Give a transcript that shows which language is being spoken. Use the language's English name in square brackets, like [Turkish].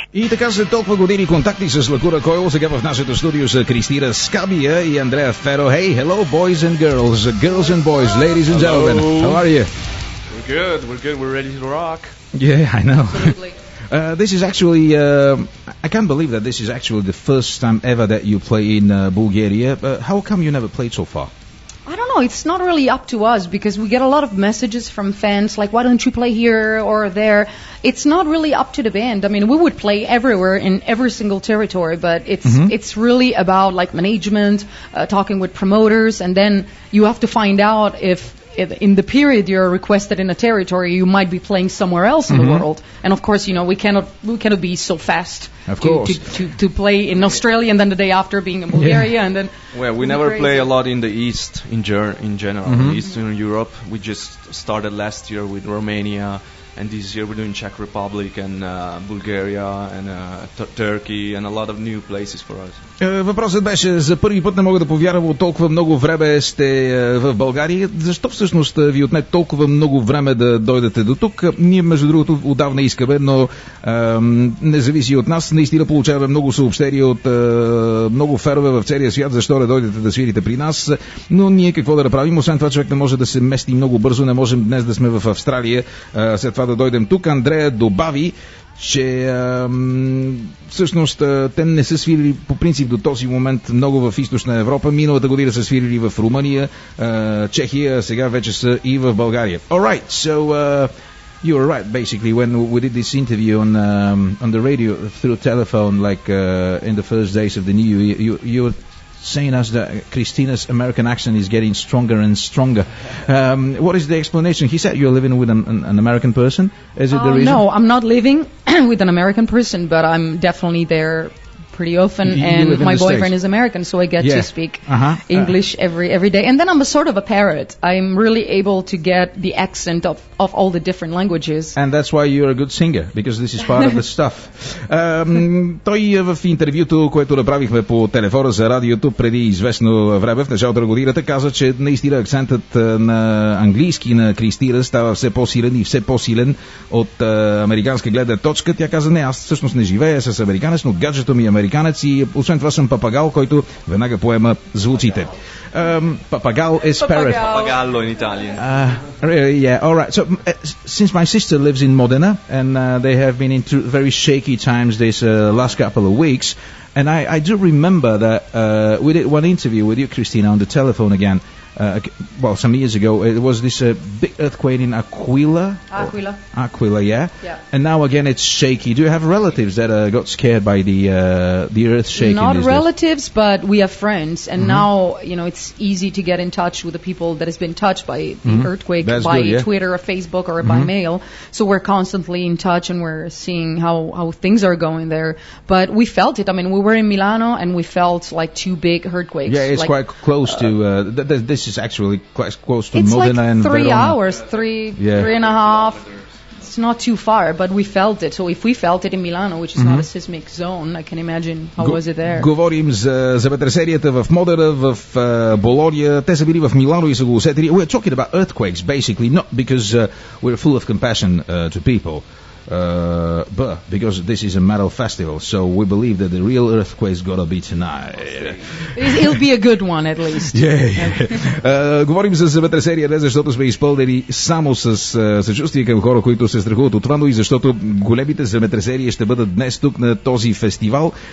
[Bulgarian] И така, след толкова години контакти с Lacuna Coil, сега в нашето студио са Кристина Скабия и Андреа Феро. [English] Hey, hello boys and girls, girls and boys, ladies and gentlemen. Hello. How are you? We're good, we're good, we're ready to rock. Yeah, I know. This is actually, I can't believe that this is actually the first time ever that you play in Bulgaria. How come you never played so far? I don't know. It's not really up to us because we get a lot of messages from fans like, why don't you play here or there? It's not really up to the band. I mean, we would play everywhere in every single territory, but it's really about like management, talking with promoters, and then you have to find out if in the period you're requested in a territory, you might be playing somewhere else in the world. And of course, you know, we cannot be so fast to play in Australia and then the day after being in Bulgaria. Yeah. And then, well, we never play a lot in the East in general, in Eastern Europe. We just started last year with Romania, and this year we're doing Czech Republic and Bulgaria and Turkey and a lot of new places for us. [Bulgarian] Въпросът беше, за първи път не мога да повярвам, от толкова много време сте в България. Защо всъщност ви отне толкова много време да дойдете до тук? Ние, между другото, отдавна искаме, но не зависи от нас. Наистина получаваме много съобщения от много ферове в целия свят, защо не дойдете да свирите при нас. Но ние какво да направим? Освен това, човек не може да се мести много бързо, не можем днес да сме в Австралия, след това да дойдем тук. Андрея добави, че всъщност те не са свирили по принцип до този момент много в Източна Европа. Миналата година са свирили в Румъния, Чехия, сега вече са и в България. [English] All right, so you were right, basically, when we did this interview on the radio through telephone, like in the first days of the new year, you were saying us that Christina's American accent is getting stronger and stronger. What is the explanation? He said you're living with an American person. Is it the reason? No, I'm not living with an American person, but I'm definitely there pretty often. And my boyfriend is American, so I get to speak English every day. And then I'm a sort of a parrot. I'm really able to get the accent of all the different languages. And that's why you're a good singer, because this is part of the stuff. [Bulgarian] Той в интервюто, което направихме по телефона за радиото преди известно време, в началото на годината, каза, че наистина акцентът на английски на Кристина става все по-силен и все по-силен от американска гледна точка. Тя каза, не, аз всъщност не живея с американец, но гаджето ми е американец и освен това съм папагал, който веднага поема звуците. [English] Papagal is parrot. Papagallo in Italian. Really, yeah, all right. So, since my sister lives in Modena, and they have been in very shaky times this last couple of weeks, and I do remember that we did one interview with you, Christina, on the telephone again, some years ago. It was this big earthquake in Aquila. Aquila, yeah? Yeah. And now again it's shaky. Do you have relatives that got scared by the earth shaking? Not relatives, but we have friends. And now, you know, it's easy to get in touch with the people that has been touched by the earthquake. That's by good, yeah? Twitter or Facebook or by mail. So we're constantly in touch and we're seeing how things are going there. But we felt it. I mean, we were in Milano and we felt like two big earthquakes. Yeah, it's like, quite close to... this is actually quite close to it's Modena, like, and 3 Verona. Hours, 3 yeah. 3 and a half. It's not too far, but we felt it. So if we felt it in Milano, which is not a seismic zone, I can imagine how was it there. [Bulgarian] Говорим за потресенията в Модена, в Болония. Те са били в Милано и са го усетили. [English] We're talking about earthquakes basically, not because we're full of compassion to people. But because this is a metal festival, so we believe that the real earthquake is gonna be tonight. It'll be a good one, at least. Yeah. [Bulgarian] Говорим за земетресение не защото сме изпълнени само с съчувствие към хора, които се страхуват от това, но и защото големите земетресения ще бъдат днес тук на този фестивал.